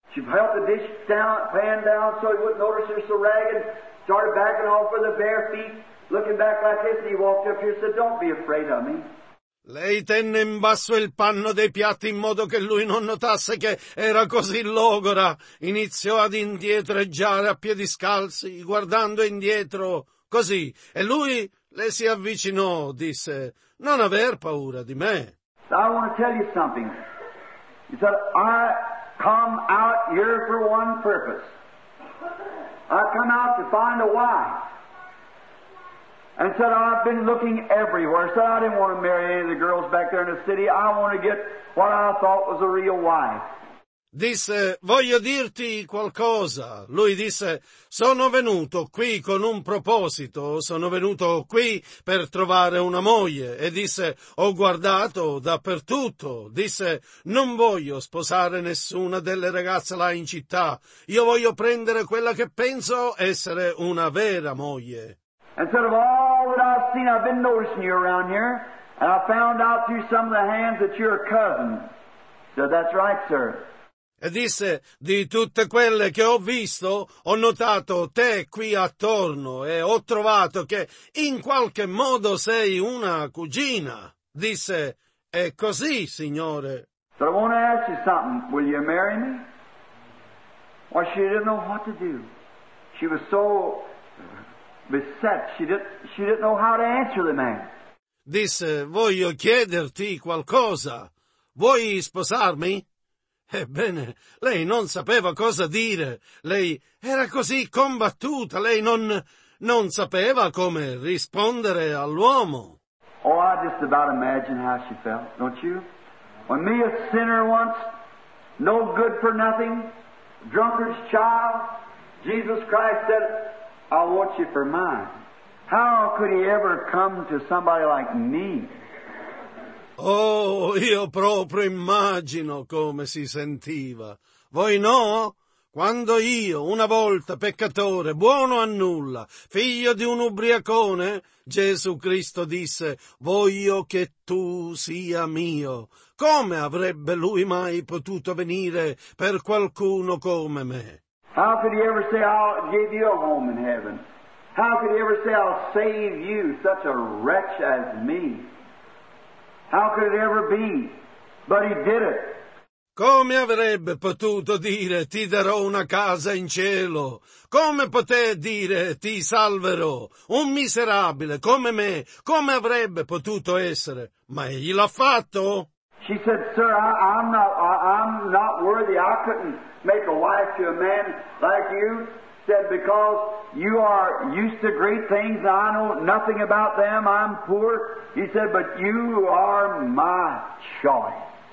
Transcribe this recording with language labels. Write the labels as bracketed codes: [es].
[en] She held the dish down, pan down, so he wouldn't notice her so ragged, started backing off with her bare feet, looking back like this, and he walked up here and said, don't be afraid of me. [it] Lei tenne in basso il panno dei piatti in modo che lui non notasse che era così logora. Iniziò ad indietreggiare a piedi scalzi, guardando indietro, così. E lui le si avvicinò, disse, non aver paura di me. [en] I want to tell you something. He said, I come out here for one purpose. I come out to find a wife. And said, I've been looking everywhere. Said, I didn't want to marry any of the girls back there in the city. I want to get what I thought was a real wife. [it] disse, voglio dirti qualcosa. Lui disse, sono venuto qui con un proposito, sono venuto qui per trovare una moglie. E disse, ho guardato dappertutto. Disse, non voglio sposare nessuna delle ragazze là in città. Io voglio prendere quella che penso essere una vera moglie. [en] Instead of all that I've seen, I've been noticing you around here, and I found out through some of the hands that you're a cousin. So that's right, sir. [it] E disse, di tutte quelle che ho visto, ho notato te qui attorno e ho trovato che in qualche modo sei una cugina. Disse, è così, signore. [en] So I want to ask you something. Will you marry me? Well, she didn't know what to do. She was so beset. She didn't know how to answer the man. [it] Disse, voglio chiederti qualcosa. Vuoi sposarmi? Ebbene, lei non sapeva cosa dire. Lei era così combattuta. Lei non sapeva come rispondere all'uomo. [en] Oh, I just about imagine how she felt, don't you? When me a sinner once, no good for nothing, drunkard's child, Jesus Christ said, I want you for mine. How could he ever come to somebody like me? [it] Oh, io proprio immagino come si sentiva. Voi no? Quando io, una volta, peccatore, buono a nulla, figlio di un ubriacone, Gesù Cristo disse, voglio che tu sia mio. Come avrebbe lui mai potuto venire per qualcuno come me? [en] How could he ever say, I'll give you a home in heaven? How could he ever say, I'll save you, such a wretch as me? How could it ever be? But he did it. [it] Come avrebbe potuto dire ti darò una casa in cielo? Come poté dire ti salverò? Un miserabile come me, come avrebbe potuto essere? Ma egli l'ha fatto. [en] She said, sir, I'm not worthy. I couldn't make a wife to a man like you. Said, because you are used to great things, I know nothing about them, I'm poor. He said, but you are my choice.